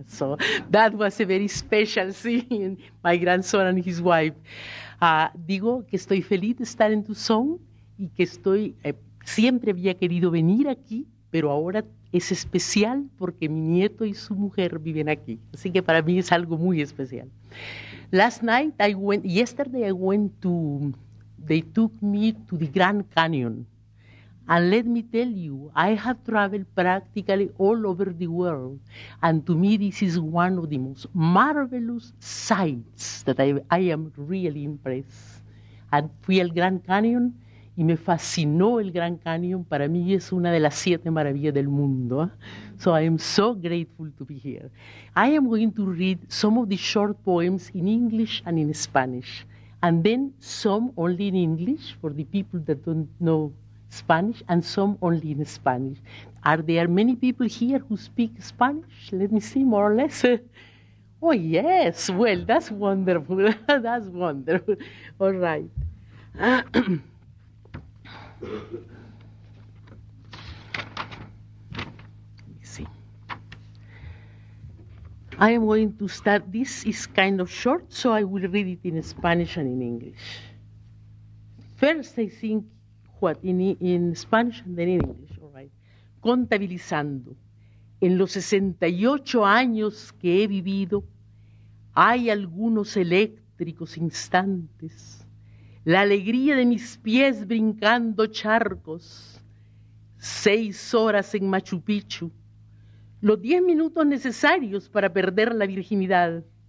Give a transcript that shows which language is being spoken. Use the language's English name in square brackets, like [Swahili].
[English] So that was a very special scene, my grandson and his wife. [Spanish] Digo que estoy feliz de estar en Tucson y que estoy, siempre había querido venir aquí, pero ahora es especial porque mi nieto y su mujer viven aquí. Así que para mí es algo muy especial. [English] Last night I went, yesterday I went to, they took me to the Grand Canyon. And let me tell you, I have traveled practically all over the world. And to me, this is one of the most marvelous sights that I am really impressed. [Spanish] I fui al Grand Canyon y me fascinó el Grand Canyon. Para mí es una de las siete maravillas del mundo. [English] So I am so grateful to be here. I am going to read some of the short poems in English and in Spanish. And then some only in English for the people that don't know Spanish, and some only in Spanish. Are there many people here who speak Spanish? Let me see, more or less. Oh, yes. Well, that's wonderful. That's wonderful. All right. Let me see. I am going to start. This is kind of short, so I will read it in Spanish and in English. First, I think, what, in Spanish and then in English, all right. [Spanish] Contabilizando, en los 68 años que he vivido, hay algunos eléctricos instantes, la alegría de mis pies brincando charcos, 6 horas en Machu Picchu, los 10 minutos necesarios para perder la virginidad,